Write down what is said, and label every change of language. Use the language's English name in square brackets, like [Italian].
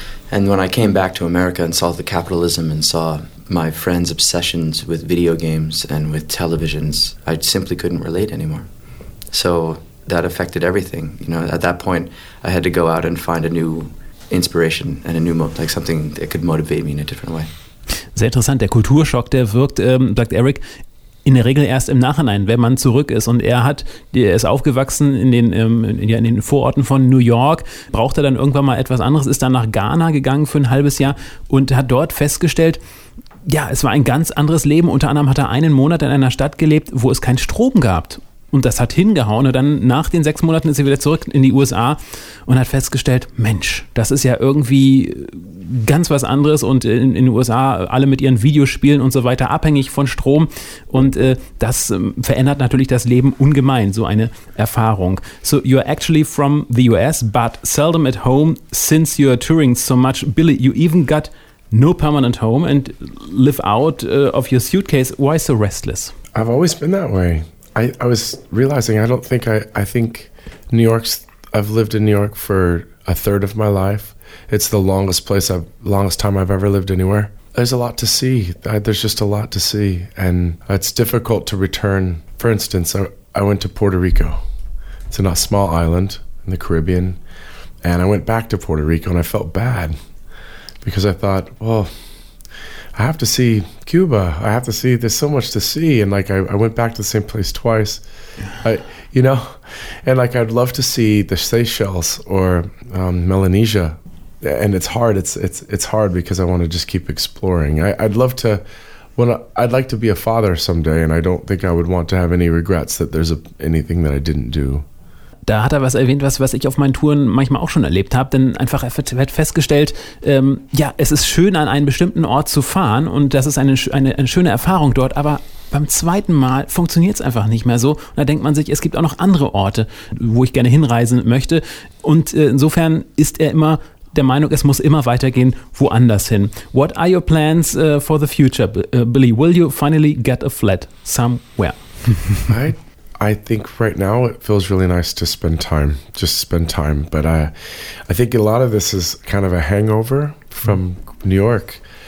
[English] And when I came back to America and saw the capitalism and saw my friends' obsessions with video games and with televisions, I simply couldn't relate anymore. So that affected everything. You know, at that point, I had to go out and find a new inspiration and a new mode, like something that could motivate me in a different way. [German] Sehr interessant, der Kulturschock, der wirkt, sagt Eric, in der Regel erst im Nachhinein, wenn man zurück ist. Und er ist aufgewachsen in den Vororten von New York, brauchte dann irgendwann mal etwas anderes, ist dann nach Ghana gegangen für ein halbes Jahr und hat dort festgestellt, ja, es war ein ganz anderes Leben. Unter anderem hat er einen Monat in einer Stadt gelebt, wo es keinen Strom gab. Und das hat hingehauen, und dann nach den 6 Monaten ist er wieder zurück in die USA und hat festgestellt, Mensch, das ist ja irgendwie ganz was anderes, und in den USA alle mit ihren Videospielen und so weiter abhängig von Strom, und das verändert natürlich das Leben ungemein, so eine Erfahrung. [English] So you're actually from the US, but seldom at home since you're touring so much. Billy, you even got no permanent home and live out of your suitcase. Why so restless? I've always been that way. I was realizing, I think New York's, I've lived in New York for a third of my life. It's the longest time I've ever lived anywhere. There's a lot to see. There's just a lot to see. And it's difficult to return. For instance, I went to Puerto Rico. It's in a small island in the Caribbean. And I went back to Puerto Rico and I felt bad because I thought, well, I have to see Cuba. I have to see, there's so much to see. And like, I went back to the same place twice. I, you know? And like, I'd love to see the Seychelles or Melanesia. And it's hard. It's hard because I want to just keep exploring. I'd like to be a father someday, and I don't think I would want to have any regrets that there's anything that I didn't do. [German] Da hat er was erwähnt, was ich auf meinen Touren manchmal auch schon erlebt habe, denn einfach er hat festgestellt, ja, es ist schön, an einen bestimmten Ort zu fahren und das ist eine schöne Erfahrung dort, aber beim zweiten Mal funktioniert es einfach nicht mehr so. Und da denkt man sich, es gibt auch noch andere Orte, wo ich gerne hinreisen möchte. Und insofern ist er immer der Meinung, es muss immer weitergehen, woanders hin. [English] What are your plans for the future, Billy? Will you finally get a flat somewhere? I think right now it feels really nice to spend time, just spend time. But I think a lot of this is kind of a hangover from New York.